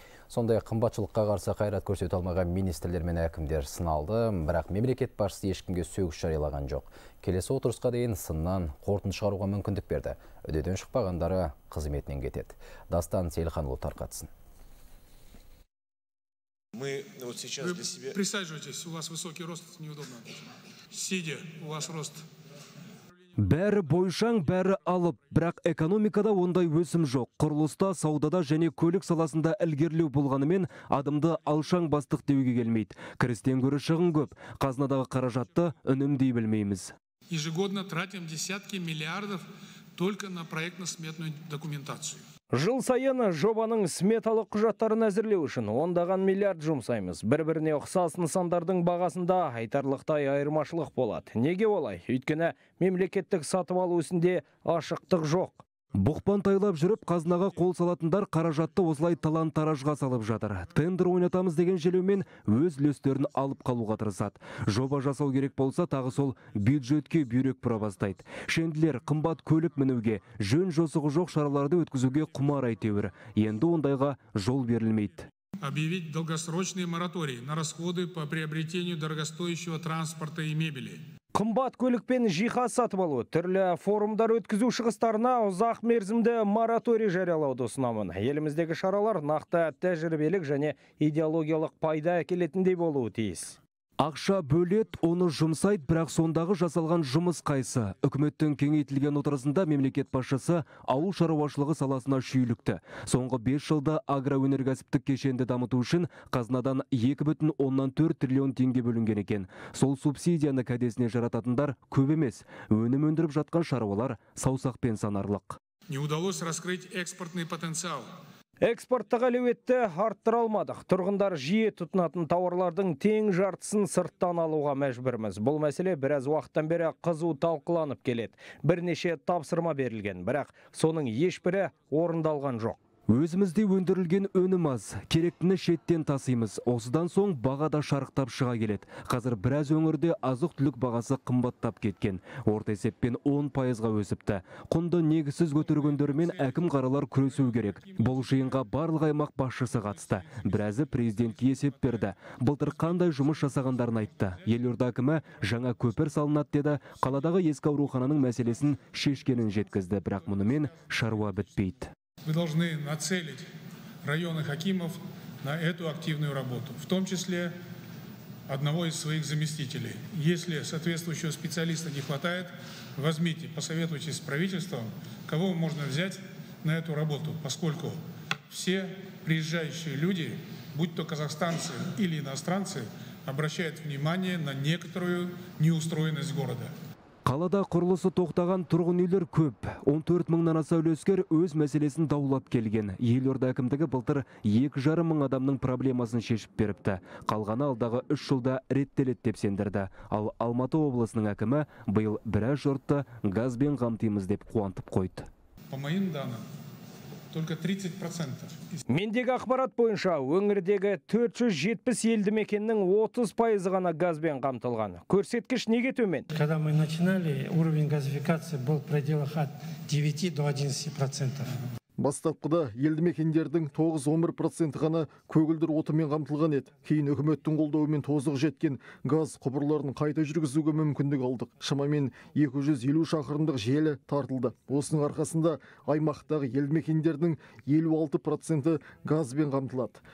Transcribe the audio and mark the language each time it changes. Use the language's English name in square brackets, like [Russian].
[Kazakh] Сонда қымбатшылыққа қарсы қайрат көрсете алмаған министрлер мен әкімдер сыналды, бірақ мемлекет басшысы ешкімге сөгіс жариялаған жоқ. Келесі отырысқа дейін сыннан қорытынды шығаруға мүмкіндік берді. Үдеден шықпағандары қызметінен кетеді. Дастан Сейілханұлы тарқатсын. [Russian] Мы вот сейчас Вы для себя... присаживайтесь, у вас высокий рост, неудобно. Сидя, у вас рост... [Kazakh] Бәрі бойшаң, бәрі алып, бірақ экономикада ондай өсім жоқ. Құрылыста, саудада және көлік саласында ілгерілеу болғанымен адымды алшаң бастық деуге келмейді. Кірістен көрі шығын көп, қазынадағы қаражатты үнемдей білмейміз. [Russian] Ежегодно тратим десятки миллиардов только на проектно-сметную документацию. [Kazakh] Жыл сайын жобаның сметалық құжаттарын әзірлеу үшін ондаған миллиард жұмсаймыз. Бір-біріне ұқсас нысандардың бағасында айтарлықтай айырмашылық болады. Неге олай? Өйткені мемлекеттік сатып алу ісінде ашықтық жоқ. Бұқпан тайлап жүріп, қазынаға қол салатындар қаражатты осылай талан таражға салып жатыр. Тендер ойнатамыз деген желеумен өз үлестерін алып қалуға тырысады. Жоба жасау керек болса, тағы сол бюджетке бүйрек бұра бастайды. Шенділер қымбат көлік мінуге, жөн жосығы жоқ шараларды өткізуге құмар әйтеуір. Енді ондайға жол берілмейді. [Russian] Объявить долгосрочный мораторий на расходы по приобретению дорогостоящего транспорта и мебели. [Kazakh] Қымбат көлікпен жиһаз сатып алу, түрлі форумдар өткізу шығыстарына ұзақ мерзімді мораторий жариялауды ұсынамын. Еліміздегі шаралар нақты тәжірибелік және идеологиялық пайда әкелетіндей болуы тиіс. Ақша бөлет, оны жұмсайды, бірақ сондағы жасалған жұмыс қайсы? Үкіметтің кеңейтілген отырысында мемлекет басшысы ауыл шаруашылығы саласына шүйлікті. Соңғы 5 жылда агроөнеркәсіптік кешенді дамыту үшін қазынадан 2,4 триллион теңге бөлінген екен. Сол субсидияны кәдесіне жарататындар көп емес. Өнім өндіріп жатқан шаруалар саусақпен санарлық. [Russian] Не удалось раскрыть экспортный потенциал. [Kazakh] Экспорттық әлеуетті арттыра алмадық. Тұрғындар жиі тұтынатын тауарлардың тең жартысын сырттан алуға мәжбүрміз. Бұл мәселе біраз уақыттан бері қызу талқыланып келеді. Бірнеше тапсырма берілген, бірақ соның ешбірі орындалған жоқ. Өзімізде өндірілген өнім аз, керектіні шеттен тасимыз. Осыдан соң баға да шарықтап шыға келеді. Қазір біраз өңірде азық-түлік бағасы қымбаттап кеткен. Орта есеппен 10%-ға өсіпті. Құнды негізсіз көтергендермен әкім қаралар күресу керек. Бұл жиынға барлық аймақ басшысы қатысты. Біразы президентке есеп берді. Былтыр қандай жұмыс жасағандарын айтты. Елорда әкімі жаңа көпір салынады деді. Қаладағы ескі аурухананың мәселесін шешкенін жеткізді, бірақ мұнымен шаруа бітпейді. [Russian] Вы должны нацелить районы Хакимов на эту активную работу, в том числе одного из своих заместителей. Если соответствующего специалиста не хватает, возьмите, посоветуйтесь с правительством, кого можно взять на эту работу, поскольку все приезжающие люди, будь то казахстанцы или иностранцы, обращают внимание на некоторую неустроенность города. [Kazakh] Қалада құрылысы тоқтаған тұрғын үйлер көп. 14 мыңнан аса үлескер өз мәселесін даулап келген. Елорда әкімдігі былтыр 2,5 мың адамның проблемасын шешіп беріпті. Қалғаны алдағы 3 жылда реттелет деп сендірді. Ал Алматы облысының әкімі биыл біраз жұртты газбен қамтимыз деп қуантып қойды. [Russian] По моим данным, только 30%. [Kazakh] Мендегі ақпарат бойынша өңірдегі 470 елді мекеннің 30% ғана газбен қамтылған. Көрсеткіш неге төмен? [Russian] Когда мы начинали, уровень газификации был в пределах от 9 до 11%. [Kazakh] Бастапқыда елді мекендердің 9-11% ғана көгілдір отынмен қамтылған еді. Кейін үкіметтің қолдауымен тозығы жеткен газ құбырларын қайта жүргізуге мүмкіндік алдық. Шамамен 250 шақырымдық желі тартылды. Осының арқасында аймақтағы елді мекендердің 56% газбен қамтылады.